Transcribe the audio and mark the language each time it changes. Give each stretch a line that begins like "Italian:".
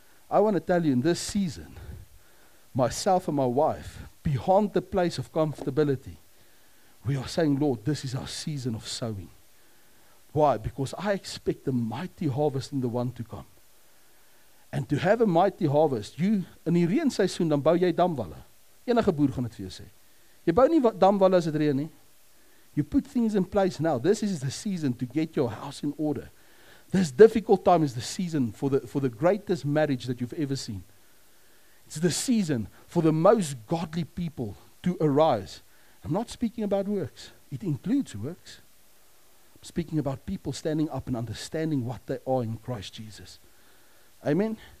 English: I want to tell you, in this season, myself and my wife, beyond the place of comfortability, we are saying, Lord, this is our season of sowing. Why? Because I expect a mighty harvest in the one to come. And to have a mighty harvest, you,
Afrikaans: in die reenseisoen, dan bou jy damwalle. Enige boer gaan het vir jou sê. Jy bou nie damwalle as het reen nie.
English: You put things in place now. This is the season to get your house in order. This difficult time is the season for the greatest marriage that you've ever seen. It's the season for the most godly people to arise. I'm not speaking about works. It includes works. I'm speaking about people standing up and understanding what they are in Christ Jesus. Amen?